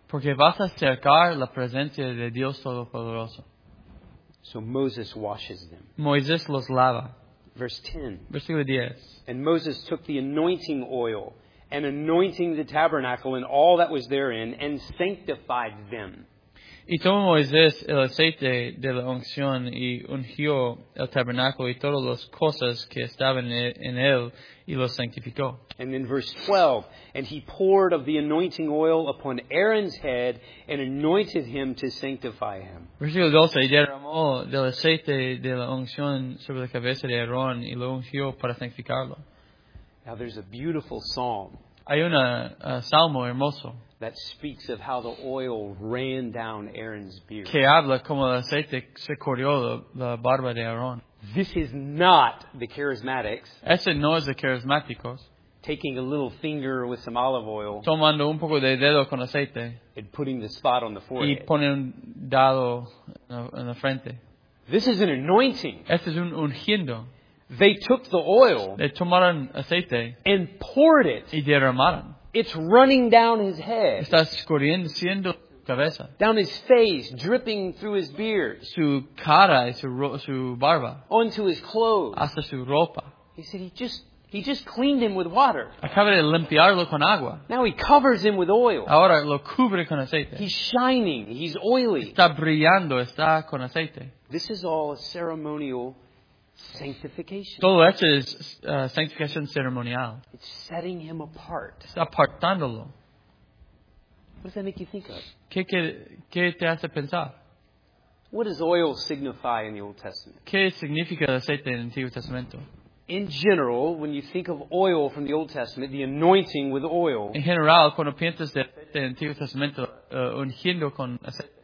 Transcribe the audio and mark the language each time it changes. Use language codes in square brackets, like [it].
[es] Porque vas a acercar la presencia de Dios Todopoderoso. [en] So Moses washes them. [es] Moisés los lava. [en] Verse 10. [es] Versículo 10. [en] And Moses took the anointing oil and anointing the tabernacle and all that was therein, and sanctified them. [es] Y tomó Moisés el aceite de la unción y ungió el tabernáculo y todas las cosas que estaban en él y los santificó. [en] And in verse 12, and he poured of the anointing oil upon Aaron's head and anointed him to sanctify him. [es] Versículo 12, y derramó del aceite de la unción sobre la cabeza de Aarón y lo ungió para santificarlo. [en] Now there's a beautiful psalm. [es] Hay un salmo hermoso. [en] That speaks of how the oil ran down Aaron's beard. [es] Que habla como el aceite se corrió la barba de Aarón. [en] This is not the charismatics. [es] Ese no es de carismáticos. [en] Taking a little finger with some olive oil. [es] Tomando un poco de dedo con aceite. [en] And putting the spot on the forehead. [es] Y pone un dedo en la frente. [en] This is an anointing. [es] Este es un ungiendo. [en] They took the oil. [es] They tomaron aceite. [en] And poured it. [es] Y derramaron. [en] It's running down his head. [es] Está escurriendo su cabeza. [en] Down his face, dripping through his beard. [es] Su cara y su barba. [en] Onto his clothes. [es] Hasta su ropa. [en] He said he just cleaned him with water. [es] Acaba de limpiarlo con agua. [en] Now he covers him with oil. [es] Ahora lo cubre con aceite. [en] He's shining. He's oily. [es] Está brillando. Está con aceite. [en] This is all a ceremonial sanctification. [es] Todo esto es sanctificación ceremonial. [en] It's setting him apart. [es] Está apartándolo. [en] What does that make you think of? [es] ¿Qué te hace pensar? [en] What does oil signify in the Old Testament? [es] ¿Qué significa el aceite en el Antiguo Testamento? [en] in general, when you think of oil from the Old Testament, the anointing with oil. [es] En general, cuando piensas del Antiguo Testamento, ungiendo con aceite.